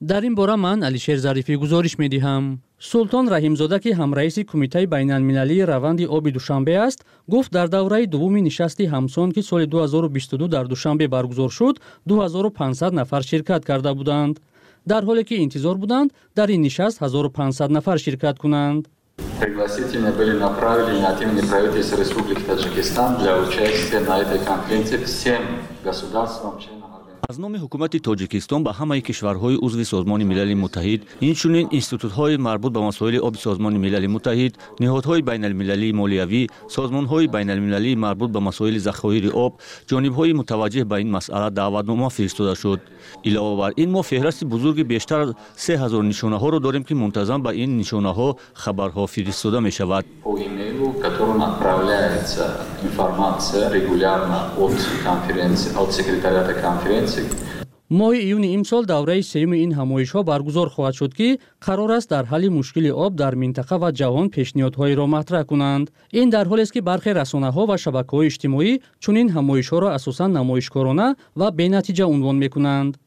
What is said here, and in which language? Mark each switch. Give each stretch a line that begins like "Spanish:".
Tajik: در این باره من علیشر ظریفی گزارش می دهم. سلطان رحیمزاده که هم رئیس کمیته بین المللی روند آب دوشنبه است گفت در دوره دوم نشستی همسان که سال 2022 در دوشنبه برگزار شد 2500 نفر شرکت کرده بودند، در حالی که انتظار بودند در این نشست 1500 نفر شرکت کنند.
Russian: Пригласительные были направлены от имени правительства Республики Таджикистан для участия на этой конференции всем государствам членам.
Tajik: از نام حکومت تاجیکستان به همه کشورهای عضو سازمان ملل متحد، اینچنین اینستیتوت‌های مربوط به مسائل آب سازمان ملل متحد، نهادهای بین‌المللی مالیوی، سازمان‌های بین‌المللی مربوط به مسائل ذخایر آب، جانب‌های متوجه به این مسئله دعوت‌نامه فرستاده شد. علاوه بر این ما فهرست بزرگ بیشتر از 3000 نشانه‌ها را داریم که منتظم به این نشانه‌ها خبرها فرستاده می‌شود.
Russian: которым отправляется информация регулярно от конференции, от секретариата конференции.
Tajik: ماه ایون امسال دوره سیوم این همایش‌ها برگزار خواهد شد که قرار است در حل مشکل آب در منطقه و جهان پیشنهادهایی را مطرح کنند. این در حالی است که برخی رسانه‌ها و شبکه‌های اجتماعی چنین همایش‌ها را اساساً نمایشکارانه و بی‌نتیجه عنوان می‌کنند.